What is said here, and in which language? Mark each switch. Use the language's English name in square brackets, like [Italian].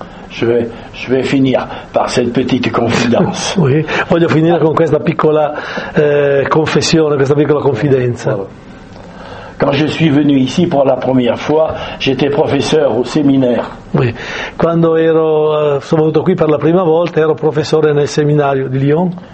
[French] Je vais finir par cette petite confidence. [Italian] Oui, voglio finire con questa piccola confessione, questa piccola confidenza. [French] Quand je suis venu ici pour la première fois, j'étais professeur au séminaire. [Italian] Oui, quando sono venuto qui per la prima volta, ero professore nel seminario di Lyon.